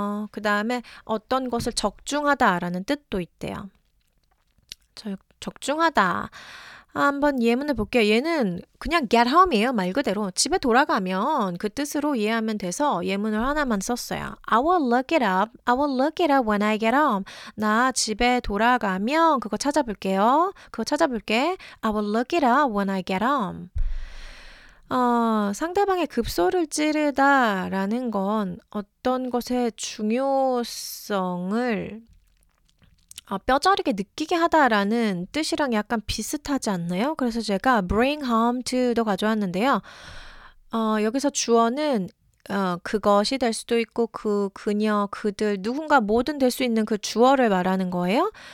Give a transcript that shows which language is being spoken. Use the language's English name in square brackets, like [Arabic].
[Korean] 그 다음에 어떤 것을 적중하다라는 뜻도 있대요. 적중하다. 한번 예문을 볼게요. 얘는 그냥 get home이에요. 말 그대로 집에 돌아가면 그 뜻으로 이해하면 돼서 예문을 하나만 썼어요. [English] I will look it up when I get home. [Korean] 나 집에 돌아가면 그거 찾아볼게요. 그거 찾아볼게. [English] I will look it up when I get home. [Korean] 상대방의 급소를 찌르다라는 건 어떤 것의 중요성을 뼈저리게 느끼게 하다라는 뜻이랑 약간 비슷하지 않나요? 그래서 제가 bring home to도 가져왔는데요. 여기서 주어는 그것이 될 수도 있고 그녀, 그들, 누군가 뭐든 될 수 있는 그 주어를 말하는 거예요.